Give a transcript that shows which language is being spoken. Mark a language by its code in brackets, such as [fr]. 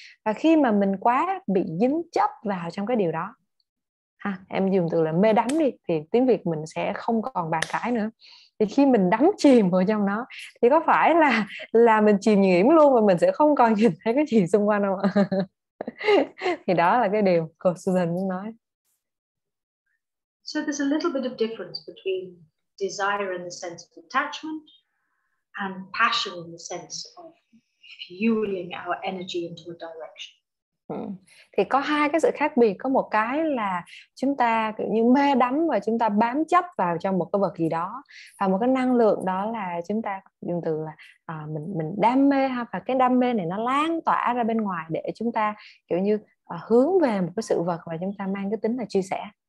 [vi] Và khi mà mình quá bị dính chấp vào trong cái điều đó, em dùng từ là mê đắm đi, thì tiếng Việt mình sẽ không còn bàn cãi nữa. Thì khi mình đắm chìm vào trong nó thì có phải là mình chìm nhiễm luôn và mình sẽ không còn nhìn thấy cái gì xung quanh đâu ạ? Thì đó là cái điều cô Susan muốn nói. [en] So there's a little bit of difference between desire in the sense of attachment and passion in the sense of fueling our energy into a direction. [vi] Thì có hai cái sự khác biệt. Có một cái là chúng ta kiểu như mê đắm và chúng ta bám chấp vào trong một cái vật gì đó, và một cái năng lượng đó là chúng ta dùng từ là mình đam mê ha. Và cái đam mê này nó lan tỏa ra bên ngoài để chúng ta kiểu như hướng về một cái sự vật và chúng ta mang cái tính là chia sẻ.